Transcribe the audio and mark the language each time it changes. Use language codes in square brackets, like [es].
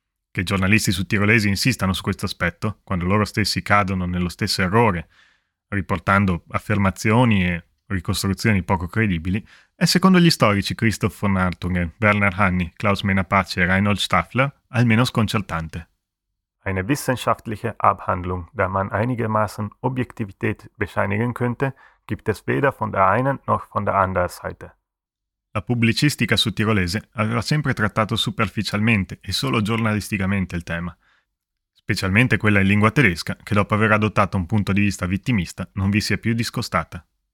[it] Che i giornalisti sudtirolesi insistano su questo aspetto, quando loro stessi cadono nello stesso errore, riportando affermazioni e ricostruzioni poco credibili, è secondo gli storici Christoph von Hartungen, Werner Hanni, Klaus Menapace e Reinhold Staffler almeno sconcertante. [de] Eine wissenschaftliche Abhandlung, da man einigermaßen Objektivität bescheinigen könnte, gibt es weder von der einen noch von der anderen Seite. [it] La pubblicistica su tirolese aveva sempre trattato superficialmente e solo giornalisticamente il tema, specialmente quella in lingua tedesca, che dopo aver adottato un punto di vista vittimista non vi si è più discostata.